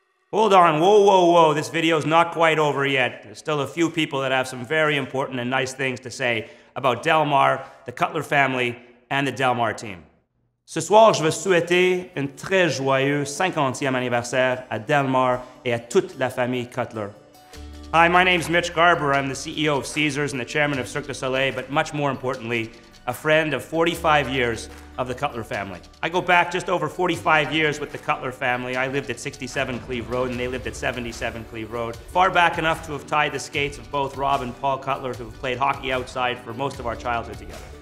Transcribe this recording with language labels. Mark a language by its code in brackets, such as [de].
[en] Hold on, whoa, whoa, whoa, this video's not quite over yet. There's still a few people that have some very important and nice things to say about Delmar, the Cutler family, and the Delmar team. [fr] Ce soir, je veux souhaiter un très joyeux 50e anniversaire à Delmar et à toute la famille Cutler. [en] Hi, my name's Mitch Garber. I'm the CEO of Caesars and the chairman of Cirque du Soleil, but much more importantly, a friend of 45 years of the Cutler family. I go back just over 45 years with the Cutler family. I lived at 67 Cleve Road and they lived at 77 Cleve Road. Far back enough to have tied the skates of both Rob and Paul Cutler, who have played hockey outside for most of our childhood together.